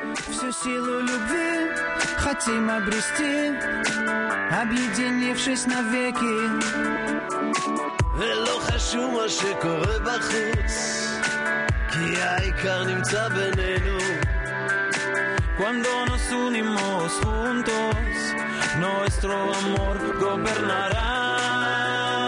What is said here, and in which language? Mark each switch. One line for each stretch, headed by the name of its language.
Russian: Всю силу любви хотим обрести, объединившись навеки.
Hebrew: ולא חשוב מה שקורה בחוץ, כי העיקר נמצא בינינו.
Spanish: Cuando nos unimos juntos, nuestro amor gobernará.